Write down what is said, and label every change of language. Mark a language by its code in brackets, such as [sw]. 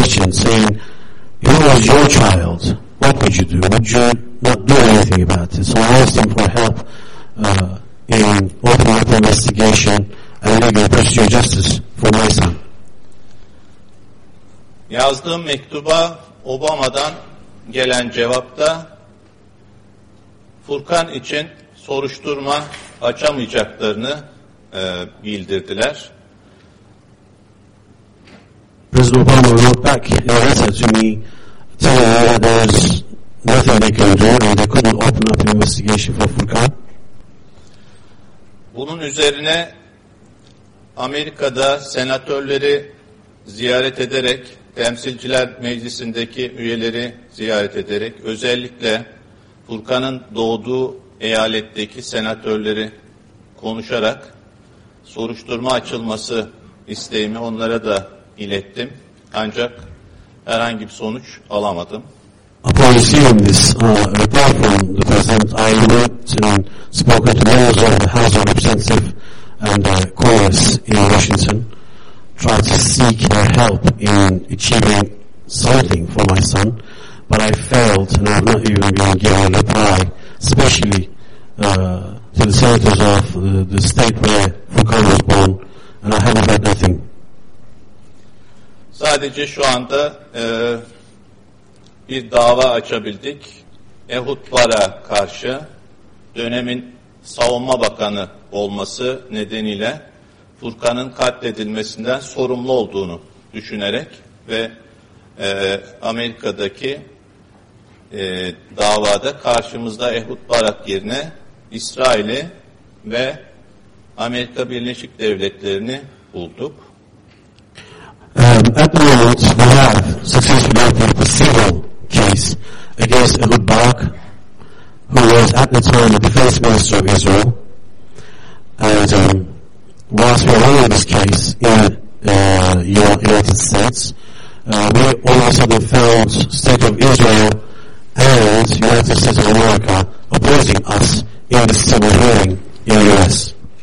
[en] Saying, "If it was your child, what would you do? Would you not do anything about it?" So I asked him for help in opening up the investigation and legal pursuing justice for my son. [tr] Yazdığım mektuba Obama'dan gelen cevapta Furkan için soruşturma açamayacaklarını bildirdiler. [en] President Obama wrote back in a letter to me telling me that there was nothing they could do and they couldn't open up an investigation for Furkan. [tr] Bunun üzerine Amerika'da senatörleri ziyaret ederek, temsilciler meclisindeki üyeleri ziyaret ederek, özellikle Furkan'ın doğduğu eyaletteki senatörleri konuşarak soruşturma açılması isteğimi onlara da ilettim. Ancak herhangi bir sonuç alamadım. [en] Upon receiving this report from the President, I went and spoke to members of the House of Representatives and Congress in Washington, trying to seek their help in achieving something for my son, but I failed and I've not even been given a reply, especially to the senators of the state where Furkan was born, and I haven't heard nothing. [tr] Sadece şu anda bir dava açabildik. Ehud Bar'a karşı dönemin savunma bakanı olması nedeniyle Furkan'ın katledilmesinden sorumlu olduğunu düşünerek ve Amerika'daki davada karşımızda Ehud Barak yerine İsrail'i ve Amerika Birleşik Devletleri'ni bulduk. [en] At the moment, we have successfully opened a civil case against Ehud Barak, who was at the time the defense minister of Israel. And whilst we are running this case in United States, we all of a sudden found State of Israel and United States of America opposing us in the civil hearing in the U.S.